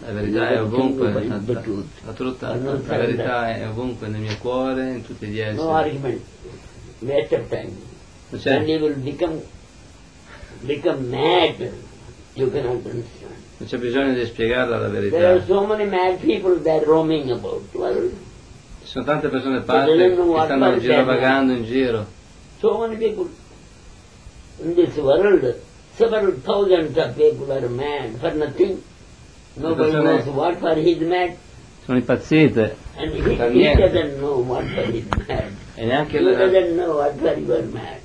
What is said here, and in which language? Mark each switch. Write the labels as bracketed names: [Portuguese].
[Italian] La verità è ovunque, la verità è ovunque nel mio cuore, in tutti gli esseri. [English] No argument, waste of time. Then you will become mad, you cannot understand. [Italian] Non c'è bisogno di spiegarla la verità. [English] There are so many mad people that roaming about. Well, [Italian] ci sono tante persone pazze che stanno girovagando in giro. [English] So many people in this world. Several thousands of people are mad for nothing. Nobody knows what for he is mad. [Italian] Sono impazzite. [English] And he doesn't know what for he is mad. [Italian] E neanche [English] he doesn't know what for you are mad.